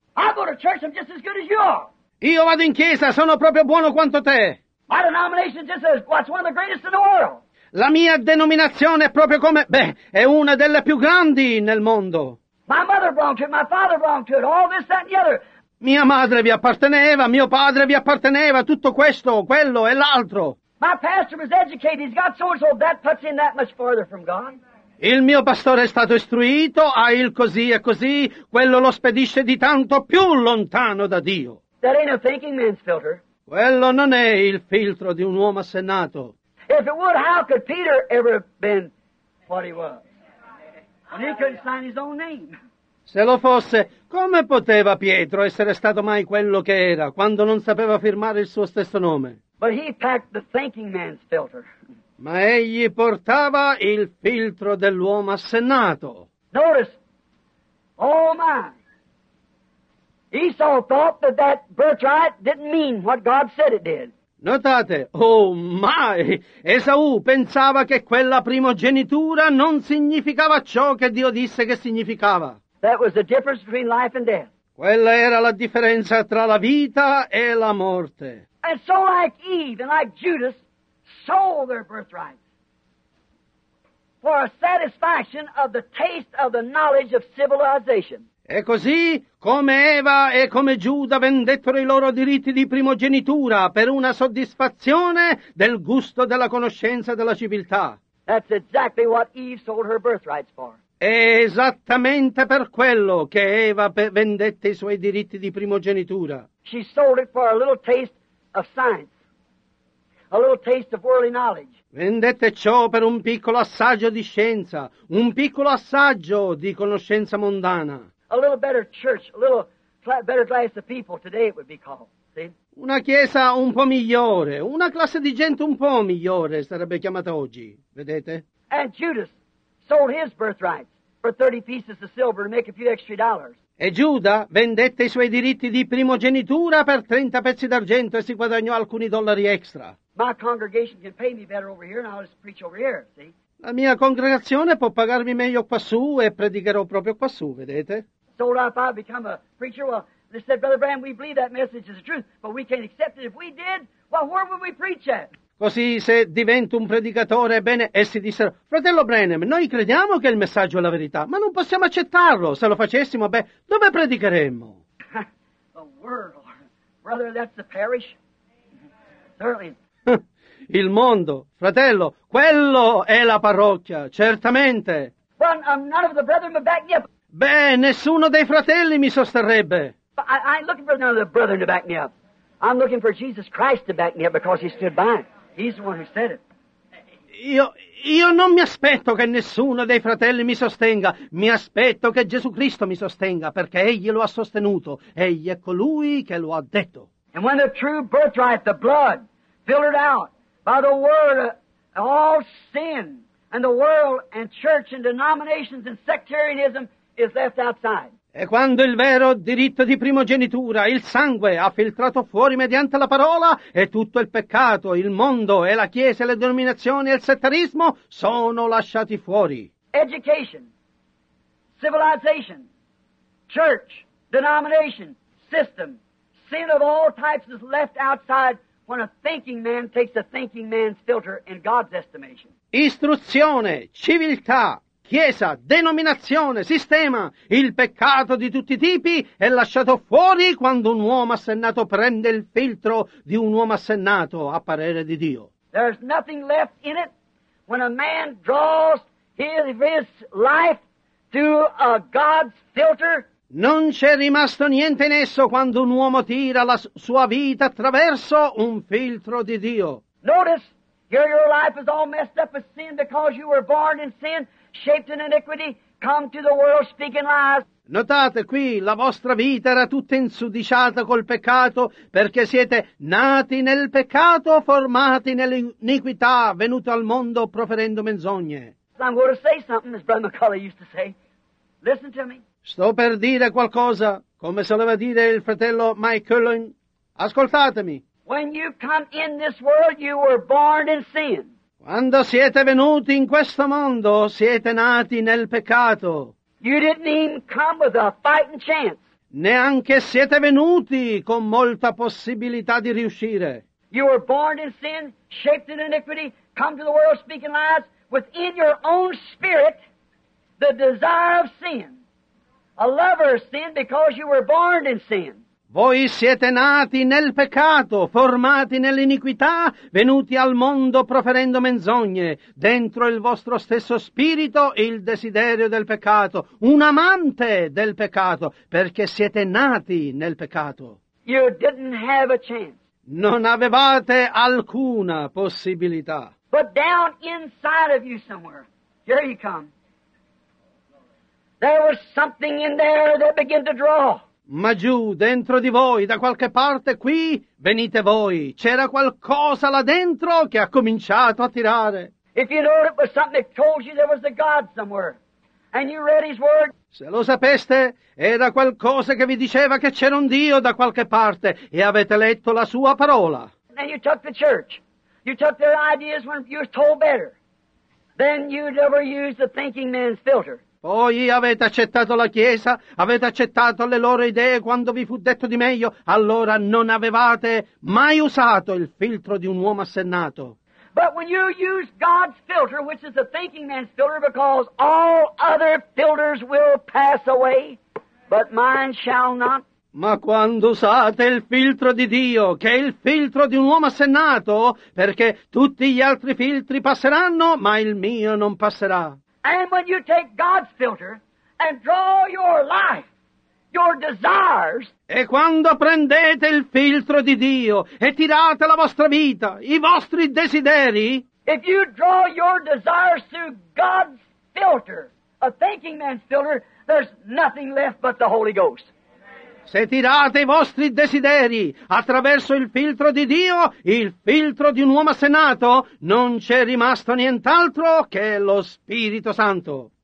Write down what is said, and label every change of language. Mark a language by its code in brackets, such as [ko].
[en] I go to church, I'm just as good as you are. [it] Io vado in chiesa, sono proprio buono quanto te. [en] My denomination is just as, what's one of the greatest in the world. [it] La mia denominazione è proprio come, beh, è una delle più grandi nel mondo. [en] My mother belonged to it, my father belonged to it, all this, that and the other. [it] Mia madre vi apparteneva, mio padre vi apparteneva, tutto questo, quello e l'altro. [en] My pastor was educated, he's got so and so, that puts him that much further from God. [it] Il mio pastore è stato istruito, ha il così e così, quello lo spedisce di tanto più lontano da Dio. [en] That ain't a thinking man's filter. [it] Quello non è il filtro di un uomo assennato. [en] If it would, how could Peter ever been what he was? And he couldn't sign his own name. [it] Se lo fosse, come poteva Pietro essere stato mai quello che era, quando non sapeva firmare il suo stesso nome? [en] But he packed the thinking man's filter. [it] Ma egli portava il filtro dell'uomo assennato. [en] Notice, oh my, Esau thought that that birthright didn't mean what God said it did. [it] Notate, [en] oh my, [it] Esau pensava che quella primogenitura non significava ciò che Dio disse che significava. [en] That was the difference between life and death. [it] Quella era la differenza tra la vita e la morte. [en] And so like Eve and like Judas sold their birthrights. for a satisfaction of the taste of the knowledge of civilization. [it] E così come Eva e come Giuda vendettero i loro diritti di primogenitura per una soddisfazione del gusto della conoscenza della civiltà. [en] That's exactly what Eve sold her birthrights for. [it] È esattamente per quello che Eva vendette i suoi diritti di primogenitura. [en] She sold it for a little taste of science, a little taste of worldly knowledge. [it] Vendette ciò per un piccolo assaggio di scienza, un piccolo assaggio di conoscenza mondana. [en] A little better church, a little better class of people today it would be called. See? [it] Una chiesa un po' migliore, una classe di gente un po' migliore sarebbe chiamata oggi, vedete? [en] And Judas sold his birthrights for 30 pieces of silver to make a few extra dollars. [it] E Giuda vendette i suoi diritti di primogenitura per 30 pezzi d'argento e si guadagnò alcuni dollari extra. [en] My congregation can pay me better over here and I'll just preach over here, see? [it] La mia congregazione può pagarmi meglio quassù e predicherò proprio quassù, vedete? [en] So if I become a preacher, well, they said, Brother Branham, we believe that message is the truth, but we can't accept it. If we did, well, where would we preach at? [it] Così se divento un predicatore, bene, essi dissero, Fratello Branham, noi crediamo che il messaggio è la verità, ma non possiamo accettarlo. Se lo facessimo, beh, dove predicheremmo? [en] The world. Brother, that's the parish. Certainly. [it] Il mondo, fratello, quello è la parrocchia, certamente. [en] None of the brethren would back me up. [it] Beh, nessuno dei fratelli mi sosterrebbe. [en] I'm looking for none of the brethren to back me up. I'm looking for Jesus Christ to back me up because he stood by. He's the one who said it. [it] Io non mi aspetto che nessuno dei fratelli mi sostenga. Mi aspetto che Gesù Cristo mi sostenga perché egli lo ha sostenuto. Egli è colui che lo ha detto. [en] And when the true birthright, the blood, filtered out by the word of all sin and the world and church and denominations and sectarianism is left outside. [it] E quando il vero diritto di primogenitura, il sangue, ha filtrato fuori mediante la parola, e tutto il peccato, il mondo, e la chiesa, e le denominazioni, e il settarismo, sono lasciati fuori. [en] Education, civilization, church, denomination, system, sin of all types is left outside. When a thinking man takes a thinking man's filter in God's estimation. [it] Istruzione, civiltà, chiesa, denominazione, sistema, il peccato di tutti i tipi è lasciato fuori quando un uomo assennato prende il filtro di un uomo assennato a parere di Dio. [en] There's nothing left in it when a man draws his life through a God's filter. [it] Non c'è rimasto niente in esso quando un uomo tira la sua vita attraverso un filtro di Dio. [en] Notice, here your life is all messed up with sin because you were born in sin, shaped in iniquity, come to the world speaking lies. [it] Notate qui, la vostra vita era tutta insudiciata col peccato perché siete nati nel peccato, formati nell'iniquità, venuti al mondo proferendo menzogne. [en] I'm going to say something, as Brother McCullough used to say. Listen to me. [it] Sto per dire qualcosa, come soleva dire il fratello Mike Cullen. Ascoltatemi. [en] When you come in this world, you were born in sin. [it] Quando siete venuti in questo mondo, siete nati nel peccato. [en] You didn't even come with a fighting chance. [it] Neanche siete venuti con molta possibilità di riuscire. [en] You were born in sin, shaped in iniquity, come to the world speaking lies, within your own spirit, the desire of sin. A lover of sin because you were born in sin. [it] Voi siete nati nel peccato, formati nell'iniquità, venuti al mondo proferendo menzogne. Dentro il vostro stesso spirito il desiderio del peccato, un amante del peccato, perché siete nati nel peccato. [en] You didn't have a chance. [it] Non avevate alcuna possibilità. [en] But down inside of you somewhere, here you come. There was something in there that began to draw. [it] Ma giù, dentro di voi, da qualche parte qui, venite voi. C'era qualcosa là dentro che ha cominciato a tirare. [en] If you know it was something that told you there was a God somewhere, and you read his word. [it] Se lo sapeste, era qualcosa che vi diceva che c'era un Dio da qualche parte, e avete letto la sua parola. [en] And you took the church. You took their ideas when you were told better. Then you'd never use the thinking man's filter. [it] Poi avete accettato la Chiesa, avete accettato le loro idee quando vi fu detto di meglio, allora non avevate mai usato il filtro di un uomo assennato. [en] But when you use God's filter, which is the thinking man's filter, because all other filters will pass away, but mine shall not. [it] Ma quando usate il filtro di Dio, che è il filtro di un uomo assennato, perché tutti gli altri filtri passeranno, ma il mio non passerà. [en] And when you take God's filter and draw your life, your desires, [it] e quando prendete il filtro di Dio e tirate la vostra vita, i vostri desideri, [en] if you draw your desires through God's filter, a thinking man's filter, there's nothing left but the Holy Ghost. [it] Se tirate i vostri desideri attraverso il filtro di Dio, il filtro di un uomo assennato, non c'è rimasto nient'altro che lo Spirito Santo.